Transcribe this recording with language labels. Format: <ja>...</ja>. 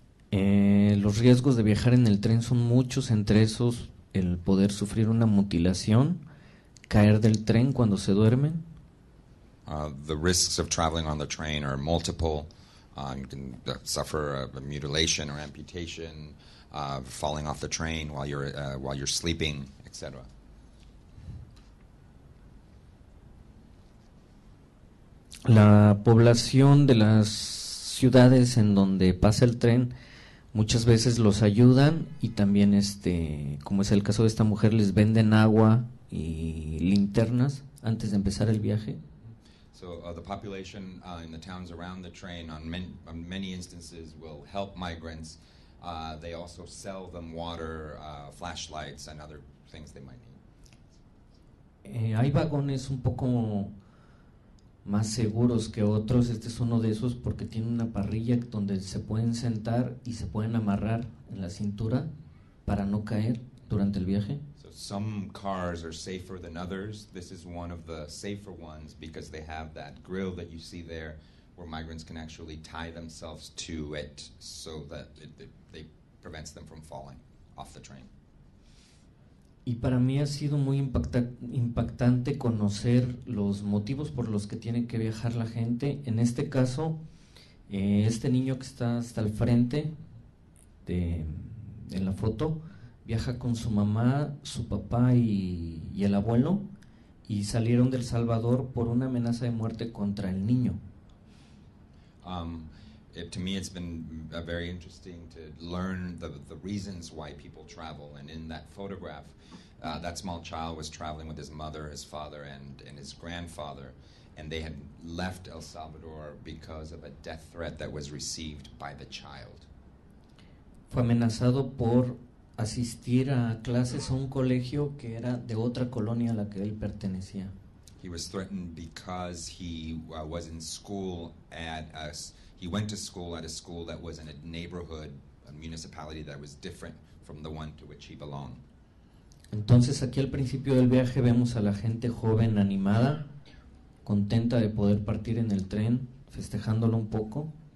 <es>Los riesgos de viajar en el tren son muchos, entre esos el poder sufrir una mutilación, caer del tren cuando se duermen.</es> <en>The risks of traveling on the train are multiple. You can suffer a mutilation or amputation, falling off the train while you're sleeping, etc.</en> <es>La población de las ciudades en donde pasa el tren muchas veces los ayudan y también, como es el caso de esta mujer, les venden agua y linternas antes de empezar el viaje.</es> <en>So the population in the towns around the train on many instances will help migrants. They also sell them water, flashlights and other things they might need.</en> <es>Hay vagones un poco más seguros que otros. Este es uno de esos porque tiene una parrilla donde se pueden sentar y se pueden amarrar en la cintura para no caer durante el viaje.</es> <en>Some cars are safer than others. This is one of the safer ones because they have that grill that you see there where migrants can actually tie themselves to it so that it prevents them from falling off the train.</en> <es>Y para mí ha sido muy impactante conocer los motivos por los que tiene que viajar la gente. En este caso, este niño que está hasta el frente en la foto viaja con su mamá, su papá y el abuelo, y salieron del Salvador por una amenaza de muerte contra el niño.</es> <en>To me it's been very interesting to learn the reasons why people travel. And in that photograph, that small child was traveling with his mother, his father, and his grandfather, and they had left El Salvador because of a death threat that was received by the child.</en> <es>Fue amenazado por asistir a clases a un colegio que era de otra colonia a la que él pertenecía.</es> <en>He was threatened because he was in school at he went to school at a school that was in a neighborhood, a municipality that was different from the one to which he belonged.</en> <es>Entonces aquí al principio del viaje vemos a la gente joven animada, contenta de poder partir en el tren, festejándolo un poco.</es>